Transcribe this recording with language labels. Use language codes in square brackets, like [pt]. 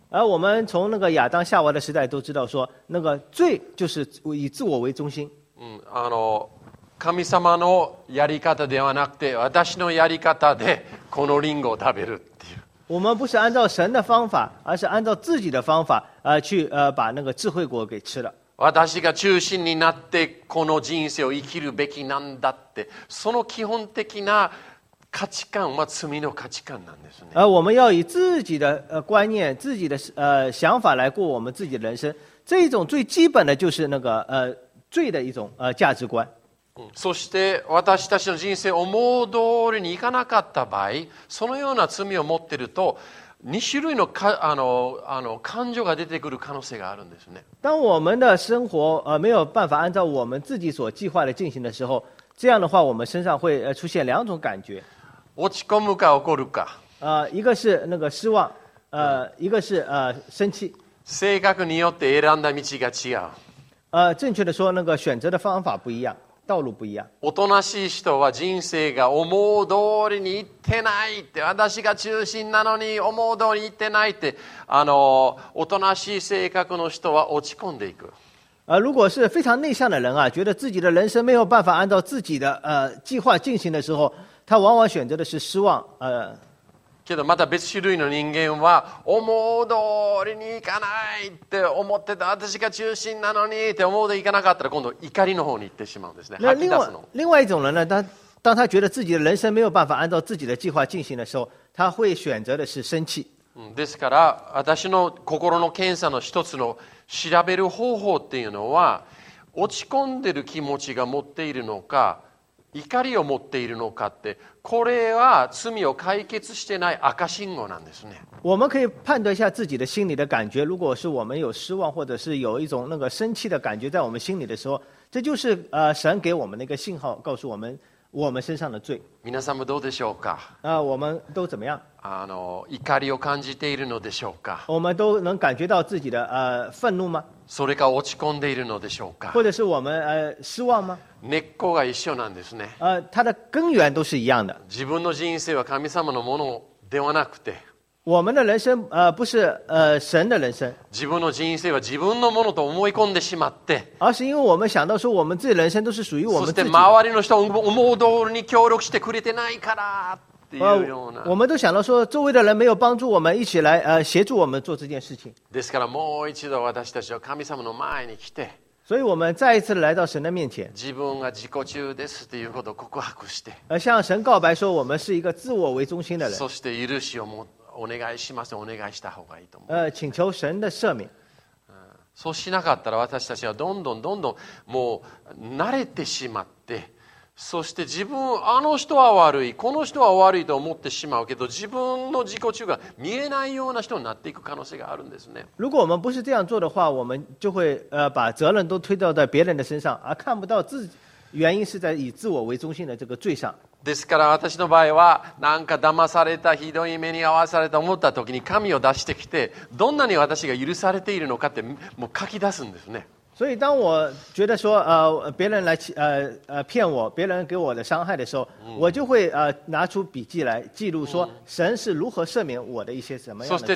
[zh] 而我们从那个亚当夏娃的时代都知道说，那个罪就是以自我为中心。 [ja] 神様のやり方ではなくて、私のやり方でこのリンゴを食べるっていう。 [zh] 我们不是按照神的方法，而是按照自己的方法，去把那个智慧果给吃了。 [ja] 私が中心になってこの人生を生きるべきなんだって、その基本的な価値観は罪の価値観なんですね。 [zh] 我们要以自己的观念、自己的想法来过我们自己的人生，这一种最基本的就是那个罪的一种价值观。 [ja] そして私たちの人生思う通りにいかなかった場合、そのような罪を持っていると2種類 の感情が出てくる可能性があるんですね。 [zh] 当我们的生活没有办法按照我们自己所计划的进行的时候，这样的话我们身上会出现两种感觉， [ja] 落ち込むか怒るか， [zh] 一个是那个失望，一个是生气。 [ja] 性格によって選んだ道が違う， [zh] 正确的说那个选择的方法不一样，道路不一样。 [ja] おとなしい人は人生が思う通りにいってないって、私が中心なのに思う通りにいってないって、おとなしい性格の人は落ち込んでいく。 [zh] 如果是非常内向的人啊，觉得自己的人生没有办法按照自己的计划进行的时候，他往往选择的是失望。 [ja] けどまた別種類の人間は思う通りにいかないって思ってた、私が中心なのにって思うでいかなかったら、今度怒りの方に行ってしまうんですね。 [zh] 另外一种人呢，当他觉得自己的人生没有办法按照自己的计划进行的时候，他会选择的是生气。 [ja] ですから私の心の検査の一つの調べる方法っていうのは、落ち込んでる気持ちが持っているのか、怒りを持っているのかって、これは罪を解決してない赤信号なんですね。 [zh] 我们可以判断一下自己的心里的感觉，如果是我们有失望或者是有一种那个生气的感觉在我们心里的时候，这就是神给我们的一个信号，告诉我们身上的罪。 [ja] 皆さんもどうでしょうか？ [zh] 我们都怎么样？ [ja] 怒りを感じているのでしょうか？ [zh] 我们都能感觉到自己的愤怒吗？ [ja] それか落ち込んでいるのでしょうか？ [zh] 或者是我们失望吗？ [ja] 根っこが一緒なんですね。 [zh] 它的根源都是一样的。 [ja] 自分の人生は神様のものではなくて、 [zh] 我们的人生不是神的人生。 [ja] 自分の人生は自分のものと思い込んでしまって、 [zh] 而是因为我们想到说我们自己人生都是属于我们自己。 [ja] そして周りの人を思う通りに協力してくれてないからっていうような。 [zh] 我们都想到说周围的人没有帮助我们一起来协助我们做这件事情。 [ja] ですからもう一度私たちは神様の前に来て。 [zh] 所以我们再一次来到神的面前， [ja] 自分が自己中ですということを告白して， [zh] 向神告白说我们是一个自我为中心的人。 [ja] そして許しをお願いします、お願いした方がいいと思う。 [zh] 请求神的赦免。 [ja] そうしなかったら私たちはどんどんどんどんもう慣れてしまって、そして自分あの人は悪い、この人は悪いと思ってしまうけど、自分の自己中が見えないような人になっていく可能性があるんですね。 [zh] 如果我们不是这样做的话，我们就会把责任都推到在别人的身上，而看不到自己，原因是在以自我为中心的这个罪上。 [ja] ですから私の場合は、なんか騙されたひどい目に遭わされたと思った時に紙を出してきて、どんなに私が許されているのかってもう書き出すんですね。 [zh] 所以当我觉得说别人来骗我，别人给我的伤害的时候，我就会拿出笔记来记录说神是如何赦免我的一些什么样的罪。